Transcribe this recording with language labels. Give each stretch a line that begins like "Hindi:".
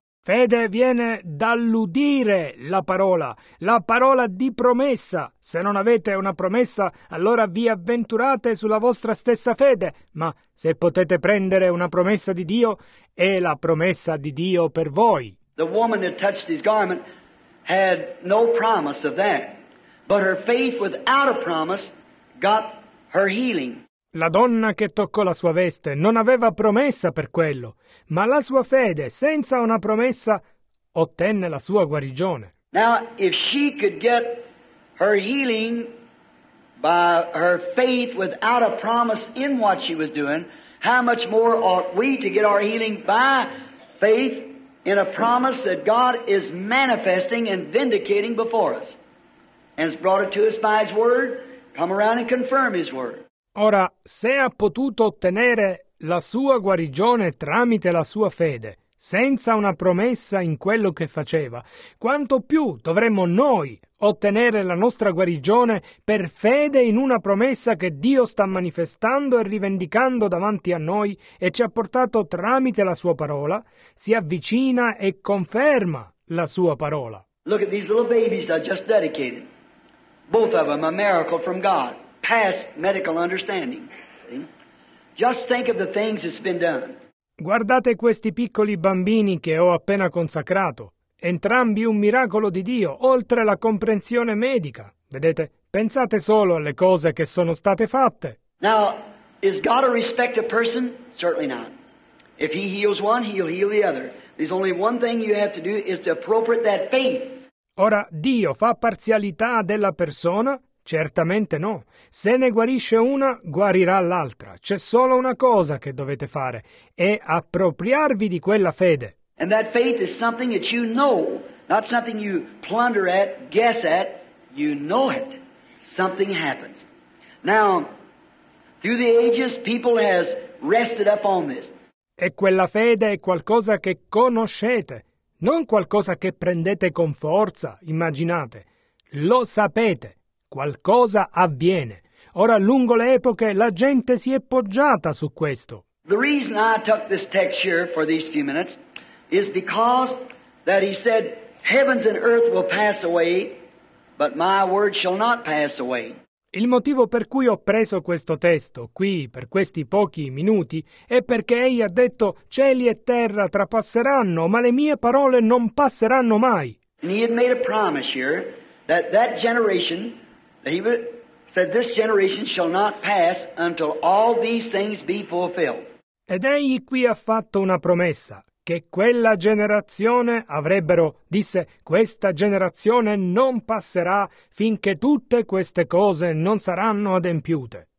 Italian: Fede viene dall'udire la parola di promessa. Se non avete una promessa, allora vi avventurate sulla vostra stessa fede. Ma se potete prendere una promessa di Dio, è la promessa di Dio per voi.
English: The woman that touched his garment had no promise of that, but her faith without a promise got her healing.
Italian: La donna che toccò la sua veste non aveva promessa per quello, ma la sua fede, senza una promessa, ottenne la sua guarigione.
English: Now, if she could get her healing by her faith without a promise in what she was doing, how much more ought we to get our healing by faith in a promise that God is manifesting and vindicating before us, and has brought it to us by His Word, come around and confirm His Word.
Italian: Ora, se ha potuto ottenere la sua guarigione tramite la sua fede, senza una promessa in quello che faceva, quanto più dovremmo noi ottenere la nostra guarigione per fede in una promessa che Dio sta manifestando e rivendicando davanti a noi e ci ha portato tramite la sua parola, si avvicina e conferma la sua parola.
English: Look at these little babies I just dedicated. Both of them a miracle from God. Past medical understanding. Just think of the things that's been done.
Italian: Guardate questi piccoli bambini che ho appena consacrato. Entrambi un miracolo di Dio, oltre la comprensione medica. Vedete, pensate solo alle cose che sono state fatte.
English: Now, is God a respect of person? Certainly not. If he heals one, he'll heal the other. There's only one thing you have to do is to appropriate that faith.
Italian: Ora, Dio fa parzialità della persona? Certamente no. Se ne guarisce una, guarirà l'altra. C'è solo una cosa che dovete fare, è appropriarvi di quella fede.
English: And that faith is something that you know, not something you plunder at, guess at, you know it. Something happens. Now, through the ages, people has rested up on this.
Italian: E quella fede è qualcosa che conoscete, non qualcosa che prendete con forza, immaginate. Lo sapete. Qualcosa avviene. Ora, lungo le epoche, la gente si è poggiata su questo.
English: The reason I took this text here for these few minutes is because that he said, heavens and earth will pass away, but my word shall not pass away.
Italian: Il motivo per cui ho preso questo testo qui, per questi pochi minuti, è perché egli ha detto, cieli e terra trapasseranno, ma le mie parole non passeranno mai.
English: And he had made a promise here that that generation... He said, "This generation shall not pass until all these things be fulfilled."
Italian: Ed egli qui ha fatto una promessa che quella generazione avrebbero, disse, questa generazione non passerà finché tutte queste cose non saranno adempiute.